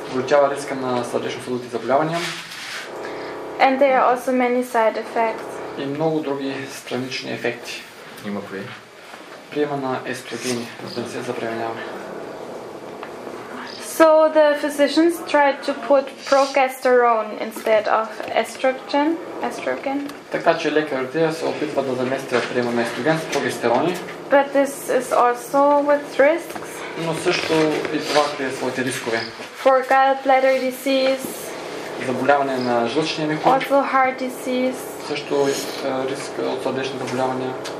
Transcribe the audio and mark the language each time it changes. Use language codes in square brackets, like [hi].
[bg] Увеличава риска на сърдечно-съдови заболявания. [en] And there are also many side effects. [bg] И много други странични ефекти. Има кои? Приема на естрогени, да се забременява. [en] So the physicians tried to put progesterone instead of estrogen. [bg] Така че лекарите се опитват да заместят приема на естроген с прогестерони. [en] But this is also with risks. [bg] Но също и това крие своите рискове. [en] For gallbladder disease. [bg] Заболяване на жлъчния мехур. [en] Also heart disease. [bg] Също и риск от сърдечни заболявания.